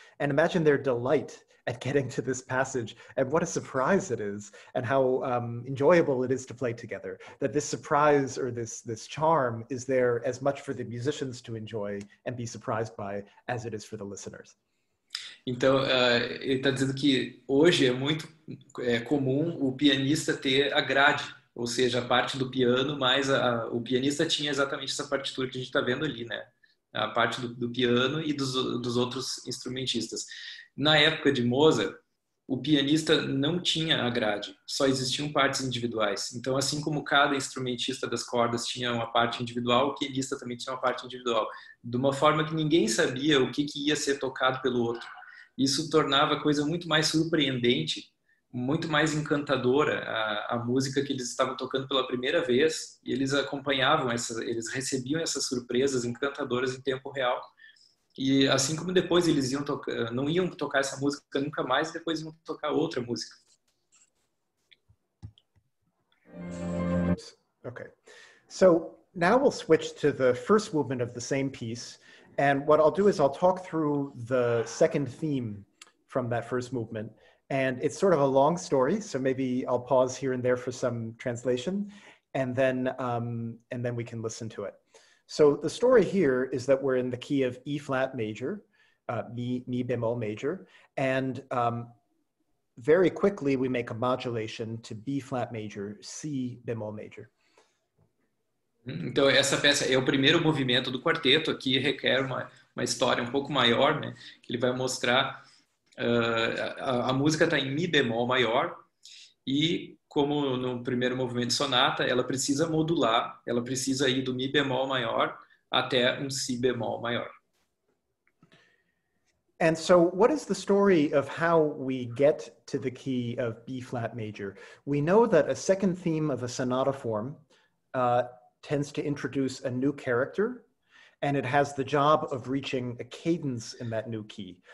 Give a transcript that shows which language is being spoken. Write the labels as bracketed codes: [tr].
[en] And imagine their delight at getting to this passage and what a surprise it is and how enjoyable it is to play together. That this surprise or this charm is there as much for the musicians to enjoy and be surprised by as it is for the listeners. [pt] Então, ele está dizendo que hoje é muito comum o pianista ter a grade, ou seja, a parte do piano, mas o pianista tinha exatamente essa partitura que a gente está vendo ali, né? A parte do piano e dos outros instrumentistas. Na época de Mozart, o pianista não tinha a grade, só existiam partes individuais. Então, assim como cada instrumentista das cordas tinha uma parte individual, o pianista também tinha uma parte individual. De uma forma que ninguém sabia o que ia ser tocado pelo outro. Isso tornava a coisa muito mais surpreendente, muito mais encantadora, a música que eles estavam tocando pela primeira vez. E eles acompanhavam, eles recebiam essas surpresas encantadoras em tempo real. E assim como depois eles iam não iam tocar essa música nunca mais, depois iam tocar outra música. [en] Okay. So, now we'll switch to the first movement of the same piece. And what I'll do is I'll talk through the second theme from that first movement. And it's sort of a long story, so maybe I'll pause here and there for some translation, and then we can listen to it. So the story here is that we're in the key of E flat major, mi bemol major, and very quickly we make a modulation to B flat major, C bemol major. [pt] Então, essa peça é o primeiro movimento do quarteto, aqui requer uma história um pouco maior, né? Que ele vai mostrar, a música está em mi bemol maior, e como no primeiro movimento de sonata, ela precisa modular, ela precisa ir do mi bemol maior até um si bemol maior. [en] And so what is the story of how we get to the key of B flat major? We know that a second theme of a sonata form tends to introduce a new character, and it has the job of reaching a cadence in that new key.